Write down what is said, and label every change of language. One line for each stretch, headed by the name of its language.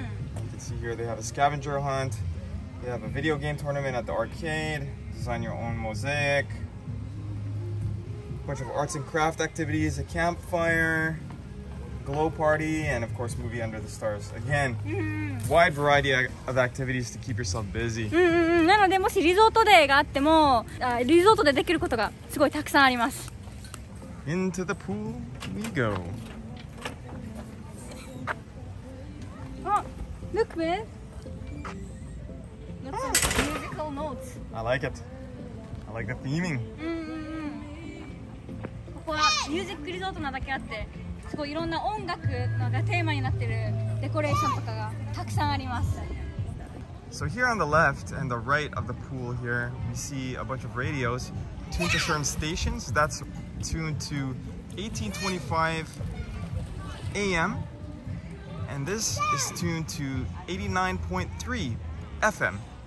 English: You can see here they have a scavenger hunt. They have a video game tournament at the arcade. Design your own mosaic. A bunch of arts and craft activities, a campfire, glow party, and of course movie under the stars. Again, mm-hmm. wide variety of activities to keep yourself busy.
Japanese: なのでもしリゾートデーがあっても、リゾートでできることがすごいたくさんあります。
English: Into the pool we go. Oh, look, man. Musical notes. I like it. I like the theming.
Japanese: ここはミュージックリゾートなだけあってすごいいろんな音楽のがテーマになってるデコレーションとかがたくさんあります。
English: So here on the left and the right of the pool here, we see a bunch of radios tuned to certain stations. That's tuned to 1825 AM, and this is tuned to 89.3 FM.